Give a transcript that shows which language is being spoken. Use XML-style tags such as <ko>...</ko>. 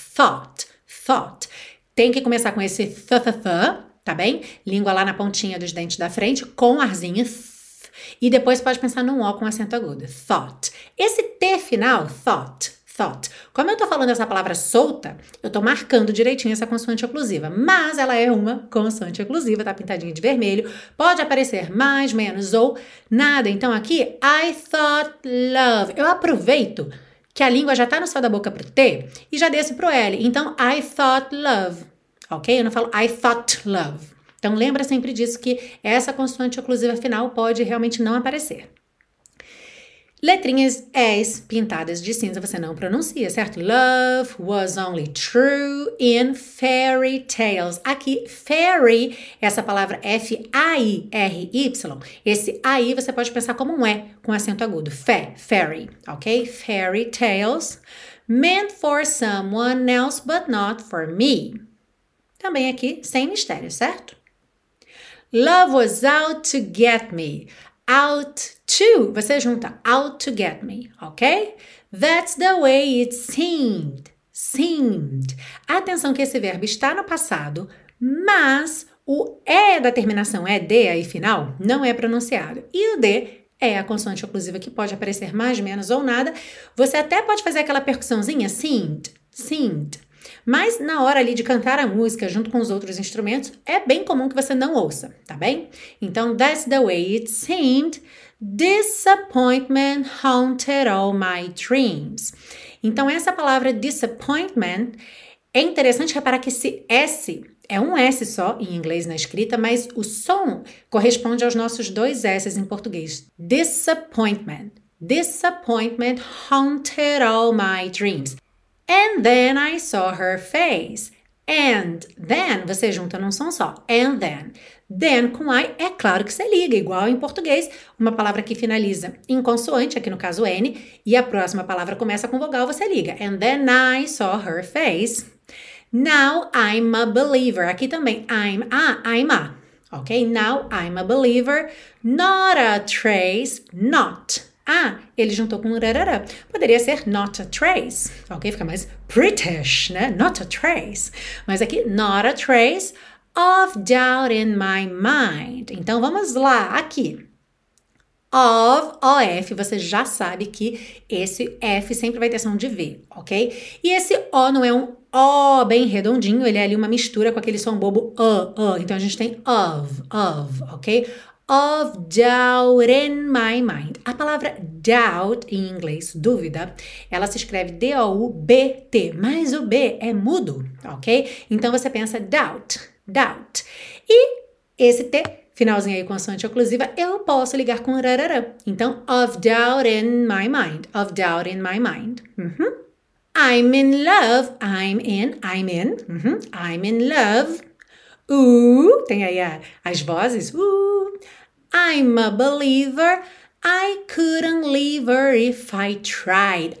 <en>Thought, thought.</en> <pt>Tem que começar com esse th-th-th, tá bem? Língua lá na pontinha dos dentes da frente, com arzinho th. E depois pode pensar num O com acento agudo.</pt> <en>Thought.</en> <pt>Esse T final,</pt> <en>thought, thought.</en> <pt>Como eu tô falando essa palavra solta, eu tô marcando direitinho essa consoante oclusiva. Mas ela é uma consoante oclusiva, tá pintadinha de vermelho. Pode aparecer mais, menos ou nada. Então aqui,</pt> <en>I thought love.</en> <pt>Eu aproveito que a língua já tá no céu da boca pro T e já desço pro L.</pt> <en>Então, I thought love. Ok?</en> <pt>Eu não falo</pt> <en>I thought love.</en> <pt>Então, lembra sempre disso, que essa consoante oclusiva final pode realmente não aparecer. Letrinhas S pintadas de cinza, você não pronuncia, certo?</pt> <en>Love was only true in fairy tales.</en> <pt>Aqui, fairy, essa palavra F-A-I-R-Y, esse A-I você pode pensar como um E, com acento agudo. Fé, fairy, ok?</pt> <en>Fairy tales meant for someone else but not for me.</en> <pt>Também aqui, sem mistério, certo?</pt> <en>Love was out to get me. Out to.</en> <pt>Você junta</pt> <en>out to get me, ok? That's the way it seemed. Seemed.</en> <pt>Atenção que esse verbo está no passado, mas o E da terminação ED aí final não é pronunciado. E o D é a consoante oclusiva que pode aparecer mais, menos ou nada. Você até pode fazer aquela percussãozinha,</pt> <en>seemed, seemed.</en> <pt>Mas na hora ali de cantar a música junto com os outros instrumentos, é bem comum que você não ouça, tá bem?</pt> <en>Então, that's the way it seemed. Disappointment haunted all my dreams.</en> <pt>Então, essa palavra disappointment, é interessante reparar que esse S é um S só em inglês na escrita, mas o som corresponde aos nossos dois S em português.</pt> <en>Disappointment. Disappointment haunted all my dreams. And then I saw her face. And then,</en> <pt>você junta num som só.</pt> <en>And then.</en> <pt>Then com I, é claro que você liga. Igual em português, uma palavra que finaliza em consoante, aqui no caso N, e a próxima palavra começa com vogal, você liga.</pt> <en>And then I saw her face. Now I'm a believer.</en> <pt>Aqui também,</pt> <en>I'm a. Ok? Now I'm a believer. Not a trace, not.</en> <pt>Ah, ele juntou com rarara. Poderia ser</pt> <en>not a trace. Ok?</en> <pt>Fica mais</pt> <en>British, né? Not a trace.</en> <pt>Mas aqui,</pt> <en>not a trace of doubt in my mind.</en> <pt>Então, vamos lá. Aqui. Of, O-F. Você já sabe que esse F sempre vai ter som de V, ok? E esse O não é um O bem redondinho. Ele é ali uma mistura com aquele som bobo Então, a gente tem of, ok? Of doubt in my mind. A palavra doubt em inglês, dúvida, ela se escreve D-O-U-B-T, mas o B é mudo, ok? Então você pensa</pt> <en>doubt, doubt.</en> <pt>E esse T, finalzinho aí com a consoante oclusiva, eu posso ligar com rarara.</pt> <en>Então, of doubt in my mind. Of doubt in my mind. I'm in love. I'm in. I'm in love.</en> <pt>Tem aí as vozes.</pt> <en>I'm a believer, I couldn't leave her if I tried.</en>